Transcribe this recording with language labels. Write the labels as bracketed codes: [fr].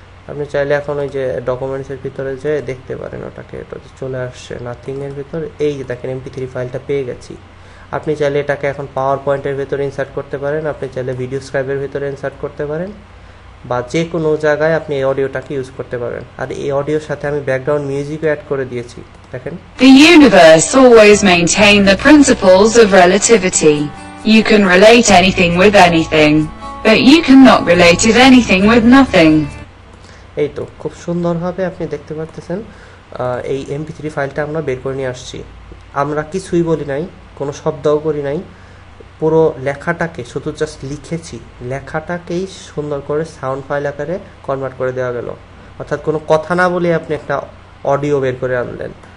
[bn] আপনি চাইলে এখন ওই যে ডকুমেন্টসের ভিতরে যেয়ে দেখতে পারেন ওটাকে, ওটা চলে আসছে নাথিংয়ের ভিতর, এই যে দেখেন MP3 ফাইলটা পেয়ে গেছি। আপনি চাইলে এটাকে এখন পাওয়ার পয়েন্টের ভিতরে ইনসার্ট করতে পারেন, আপনি চাইলে ভিডিও স্ক্রাইবের ভিতরে ইনসার্ট করতে পারেন, বা যে কোনো জায়গায় আপনি এই অডিওটাকে ইউজ করতে পারেন। আর এই অডিওর সাথে আমি ব্যাকগ্রাউন্ড মিউজিকও অ্যাড করে দিয়েছি, দেখেন। [en] The universe always maintain the principles of relativity. You can relate anything with anything, but you cannot relate anything with nothing. [bn] এই তো খুব সুন্দরভাবে আপনি দেখতে পাচ্ছেন এই MP3 ফাইলটা আমরা বের করে নিয়ে আসছি, আমরা কিছুই বলি নাই, কোনো শব্দও করি নাই, পুরো লেখাটাকে শুধু জাস্ট লিখেছি, লেখাটাকেই সুন্দর করে সাউন্ড ফাইল আকারে কনভার্ট করে দেওয়া গেল, অর্থাৎ কোনো কথা না বলে আপনি একটা অডিও বের করে আনলেন।